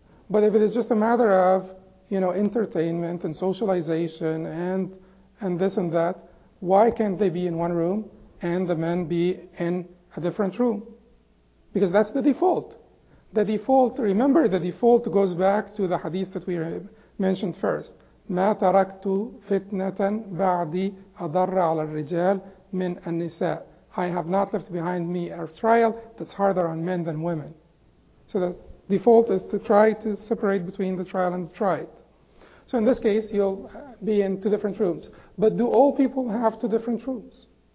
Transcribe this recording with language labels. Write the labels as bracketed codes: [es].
[en] But if it is just a matter of, you know, entertainment and socialization and this and that, why can't they be in one room and the men be in a different room? Because that's the default. The default, remember, the default goes back to the hadith that we mentioned first. [ar] مَا تَرَكْتُ فِتْنَةً بَعْدِي أَضَرَّ عَلَى الرِّجَالِ مِنْ النِّسَاءِ. [en] I have not left behind me a trial that's harder on men than women. So the default is to try to separate between the trial and the tried. So in this case, you'll be in two different rooms. But do all people have two different rooms?